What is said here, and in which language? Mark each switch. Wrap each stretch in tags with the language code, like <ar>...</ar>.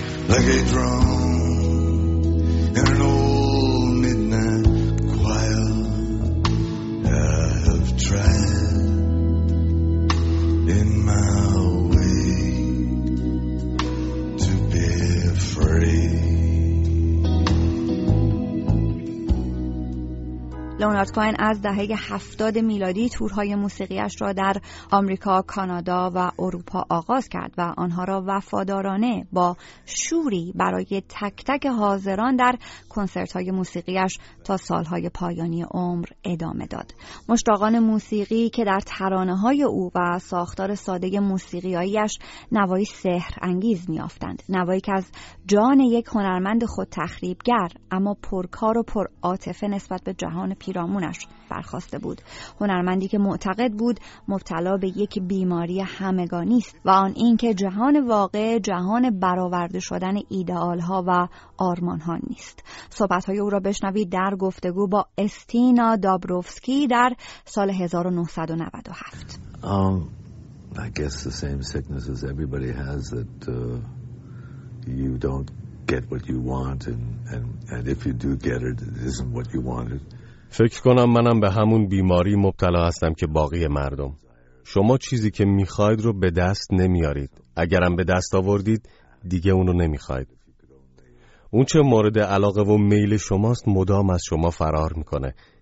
<en>Like a drone in an old midnight choir, I have tried in my way to be free.</en> <fa>لئونارد کوهن از دهه 70 میلادی تورهای موسیقیش را در آمریکا، کانادا و اروپا آغاز کرد و آنها را وفادارانه با شوری برای تک تک حاضران در کنسرت‌های موسیقیش تا سال‌های پایانی عمر ادامه داد. مشتاقان موسیقی که در ترانه‌های او و ساختار ساده موسیقیاییش نوایی سحر انگیز می‌یافتند، نوایی که از جان یک هنرمند خود تخریبگر اما پرکار و پر عاطفه نسبت به جهان پیرامونش برخاسته بود. هنرمندی که معتقد بود مبتلا به یک بیماری همگانی است و آن اینکه جهان واقع جهان برآورده شدن ایدئال ها و آرمان ها نیست. صحبت های او را بشنوید در گفتگو با استینا دابروفسکی در سال 1997.</fa> <en>I guess the same sickness as everybody has that you don't get what you want and if you do get it, it isn't what you wanted.</en> <fa>فکر کنم منم به همون بیماری مبتلا هستم که باقی مردم. شما چیزی که میخواید رو به دست نمیارید. اگرم به دست آوردید دیگه اونو نمیخواید. اون چه مورد علاقه و میل شماست مدام از شما فرار میکنه.</fa>